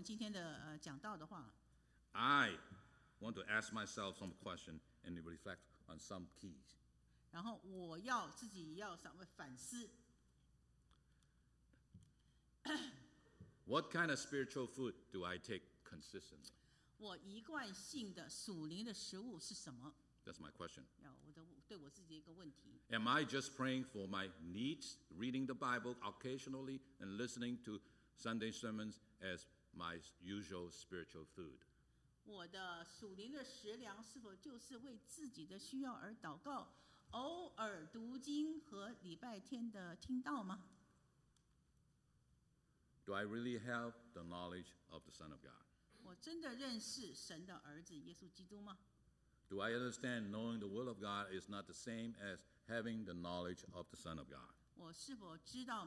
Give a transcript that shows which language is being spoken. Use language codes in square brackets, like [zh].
[zh] 如果你再回忆，再回想一下我们今天的讲道的话， [en] I want to ask myself some question and reflect on some keys. [zh] 然后我要自己要稍微反思。 [en] What kind of spiritual food do I take consistently? [zh] 我一贯性的属灵的食物是什么？ [en] That's my question. [zh] 对我自己一个问题。 [en] Am I just praying for my needs, reading the Bible occasionally, and listening to Sunday sermons as my usual spiritual food? [zh] 我的属灵的食粮是否就是为自己的需要而祷告, 偶尔读经和礼拜天的听到吗？ [en] Do I really have the knowledge of the Son of God? [zh] 我真的认识神的儿子耶稣基督吗？ [en] Do I understand knowing the will of God is not the same as having the knowledge of the Son of God?